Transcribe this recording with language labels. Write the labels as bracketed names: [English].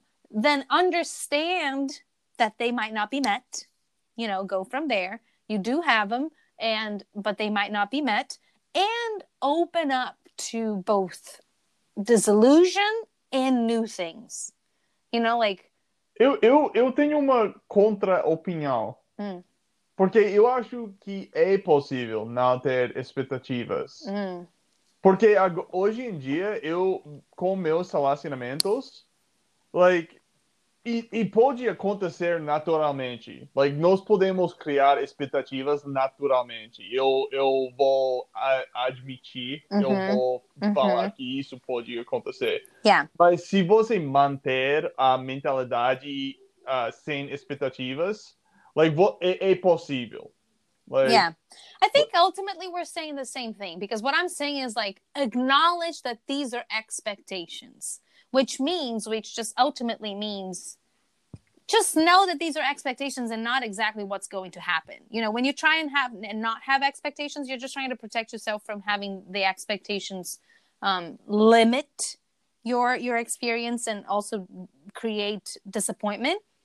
[English] Then understand that they might not be met. You know, go from there. You do have them, but they might not be met. And open up to both disillusion and new things. You know, like... [Portuguese] Eu tenho uma contra-opinião. Porque eu acho que é possível não ter expectativas. Porque hoje em dia, eu, com meus relacionamentos, like, e pode acontecer naturalmente. Like, nós podemos criar expectativas naturalmente. Eu vou admitir, eu vou falar que isso pode acontecer. [English] Yeah. [Portuguese] Mas se você manter a mentalidade sem expectativas, like, é possível. [English] Like, yeah. I think ultimately we're saying the same thing, because what I'm saying is, like, acknowledge that these are expectations, which just ultimately means just know that these are expectations and not exactly what's going to happen. You know, when you try and have and not have expectations, you're just trying to protect yourself from having the expectations limit your experience and also create disappointment.